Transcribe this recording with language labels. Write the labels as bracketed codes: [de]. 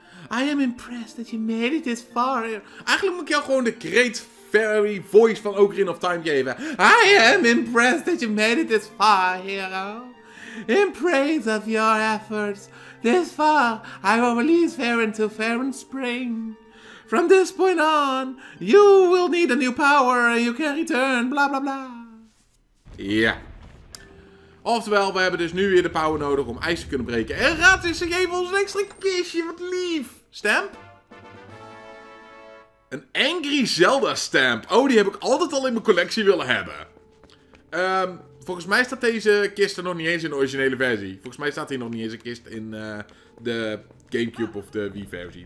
[en] I am impressed that you made it this far. [nl] Eigenlijk moet ik jou gewoon de Great Fairy voice van Ocarina of Time geven. [en] I am impressed that you made it this far, hero. In praise of your efforts, this far I will release Farron to Farron Spring. From this point on, you will need a new power and you can return, bla bla bla. [nl] Ja. Oftewel, we hebben dus nu weer de power nodig om ijs te kunnen breken. En raad eens, ze geven ons een extra kistje, wat lief. Stamp? Een Angry Zelda stamp. Oh, die heb ik altijd al in mijn collectie willen hebben. Volgens mij staat deze kist er nog niet eens in de originele versie. Volgens mij staat hier nog niet eens een kist in de GameCube of de Wii versie.